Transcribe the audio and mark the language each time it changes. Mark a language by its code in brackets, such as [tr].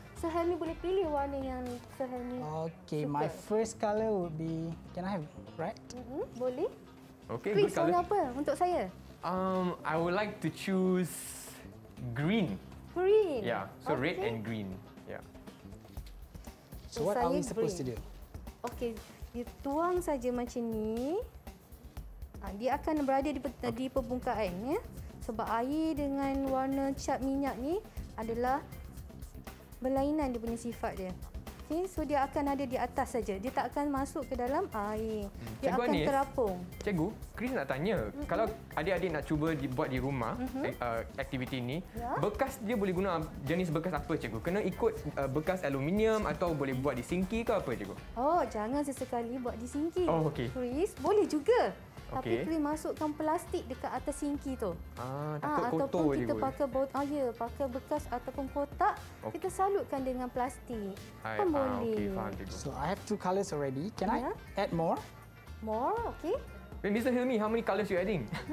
[ms] So, Helmy boleh pilih warna yang so Helmy suka. [en] Okey, my first color would be... Can I have red? [ms] Mm-hmm. Boleh. Okey, [en] good color. [ms] Warna apa untuk saya? [en] I would like to choose green. Green? Yeah, so okay. Red and green. Yeah. So, what are we supposed to do? [ms] Okey, you tuang saja macam ni. Dia akan berada di permukaan ya, sebab air dengan warna cat minyak ni adalah berlainan dia punya sifat dia. Okey, so dia akan ada di atas saja. Dia tak akan masuk ke dalam air. Dia cikgu akan Anis, terapung. Cikgu, Chris nak tanya, mm-hmm. kalau adik-adik nak cuba buat di rumah aktiviti ini, ya? Bekas dia boleh guna jenis bekas apa, cikgu? Kena ikut bekas aluminium atau boleh buat di sinki ke apa, cikgu? Oh, jangan sesekali buat di sinki. Oh, okey. Chris, boleh juga. Tapi okay. Boleh masukkan plastik dekat atas sinki tu. Ataupun kita pakai bot air, pakai bekas ataupun kotak, okay. Kita salutkan dengan plastik. Apa boleh. Okay, faham, [en] so I have two colors already. Can yeah. I add more? More, okay. Wait, Mr. Hilmi, how many colors you adding?